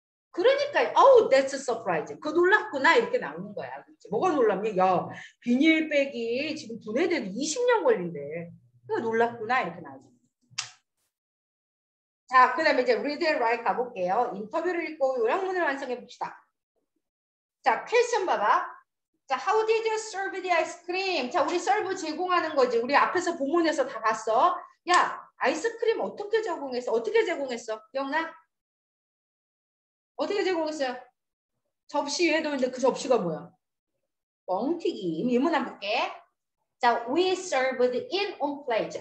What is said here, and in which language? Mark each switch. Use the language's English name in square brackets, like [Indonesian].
[Korean] 그러니까, [English] oh, that's surprising. [Korean] 그거 놀랐구나. 이렇게 나오는 거야. 그치? 뭐가 놀랍니? 야, 비닐백이 지금 분해돼도 20년 걸린대. 그거 놀랐구나. 이렇게 나오죠. 자, 그 다음에 이제 read and write 가볼게요. 인터뷰를 읽고 요약문을 완성해 봅시다. 자, question 봐봐. [English] 자, how did you serve the ice cream? [Korean] 자, 우리 serve 제공하는 거지. 우리 앞에서 본문에서 다 봤어. 야, 아이스크림 어떻게 제공했어? 어떻게 제공했어? 기억나? 어떻게 제공했어요? 접시 위에 놓는데 그 접시가 뭐야? 뻥튀기. 예문 한번 볼게. 자, [English] we served in on plate.